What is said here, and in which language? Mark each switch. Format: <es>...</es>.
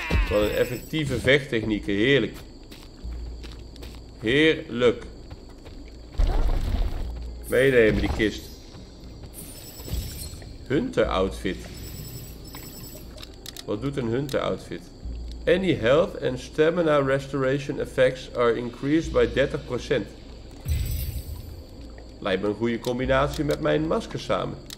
<nl>Wat een effectieve vechttechnieken, heerlijk. Heerlijk. Meenemen die kist. Hunter outfit. Wat doet een hunter outfit?</nl> <en>Any health and stamina restoration effects are increased by 30%.</en> <nl>Lijkt me een goede combinatie met mijn masker samen.</nl>